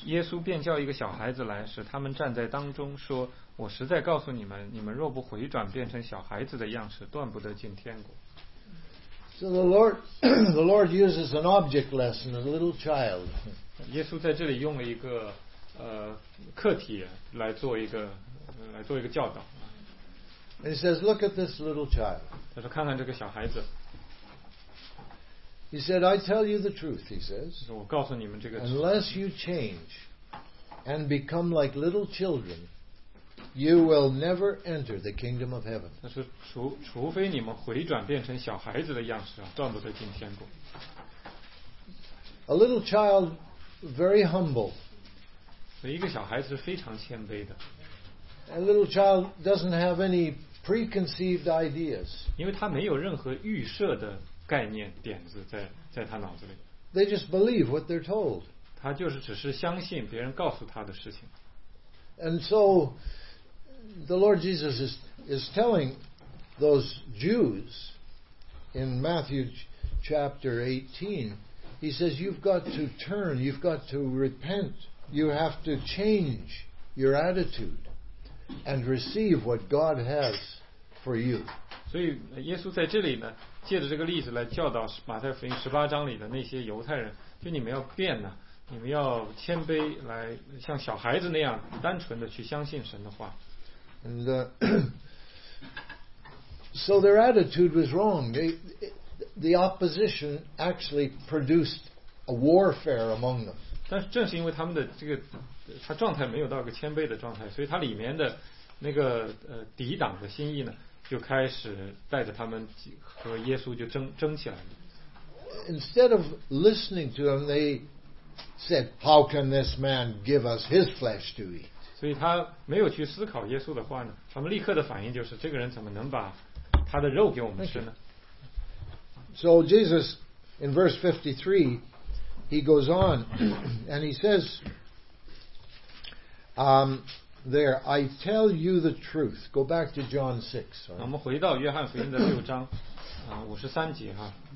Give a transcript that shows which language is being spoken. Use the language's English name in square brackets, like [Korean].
[Chinese] 耶稣便叫一个小孩子来，使他们站在当中，说：“我实在告诉你们，你们若不回转，变成小孩子的样式，断不得进天国。” [English] So the Lord uses an object lesson, a little child. [Chinese] 耶稣在这里用了一个课题来做一个教导。 [English] And he says, "Look at this little child." [Chinese] 他说：“看看这个小孩子。” [English] He said, "I tell you the truth." He says, [Chinese] 我告诉你们这个。 [English] Unless you change and become like little children, you will never enter the kingdom of heaven. [Chinese] 他说：“除非你们回转变成小孩子的样式，断不得进天国。” [English] A little child, very humble. [Chinese] 所以一个小孩子是非常谦卑的。 [English] A little child doesn't have any preconceived ideas. [Chinese] 因为他没有任何预设的概念点子在他脑子里。 [English] They just believe what they're told. [Chinese] 他就是只是相信别人告诉他的事情。 [English] And so, the Lord Jesus is telling those Jews in Matthew chapter 18, he says, you've got to turn, you've got to repent. You have to change your attitude and receive what God has for you. [Chinese] 所以耶稣在这里呢，借着这个例子来教导马太福音十八章里的那些犹太人，就你们要变呢，你们要谦卑，来像小孩子那样单纯的去相信神的话。 [English] And so their attitude was wrong. The opposition actually produced a warfare among them. [Chinese] 但是正是因为他们的这个他状态没有到一个谦卑的状态，所以他里面的那个抵挡的心意呢，就开始带着他们和耶稣就争起来了。 [English] Instead of listening to them, they said, "How can this man give us his flesh to eat?" [Chinese] 所以他没有去思考耶稣的话呢，他们立刻的反应就是，这个人怎么能把他的肉给我们吃呢？ [English] So Jesus in verse 53. He goes on and he says, there, I tell you the truth. Go back to John 6. [Chinese] We 们回到约翰福音的六章五十三节哈。